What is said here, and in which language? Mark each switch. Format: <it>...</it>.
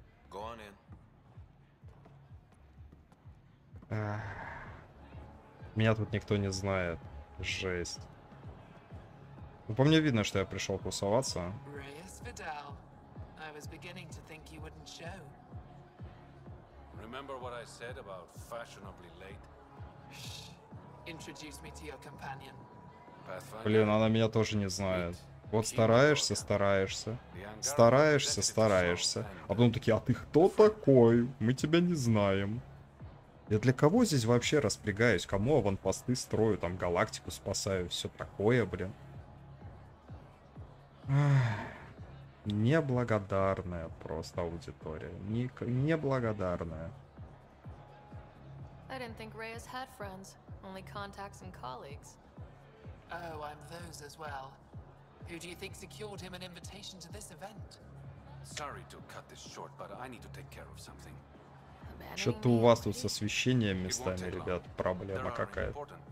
<en>Go on in.</en> <ru>Меня тут никто не знает. Жесть. Ну, по мне видно, что я пришел тусоваться.</ru> <en>Reyes Vidal. I was beginning to think you wouldn't show. Remember what I said about fashionably late? Shh. Introduce me to your companion.</en> <ru>Блин, она меня тоже не знает. Вот стараешься, стараешься. Стараешься, стараешься. А потом такие, а ты кто такой? Мы тебя не знаем. Я для кого здесь вообще распрягаюсь? Кому аванпосты строю, там галактику спасаю, все такое, блин. Неблагодарная просто аудитория. Неблагодарная.</ru> <en>I didn't think Reyes had friends, only contacts and colleagues. Oh, I'm those as well. Who do you think secured him an invitation to this event? Sorry to cut this short, but I need to take care of something.</en> <ru>Что-то у вас тут со освещением местами, ребят, проблема какая-то.</ru>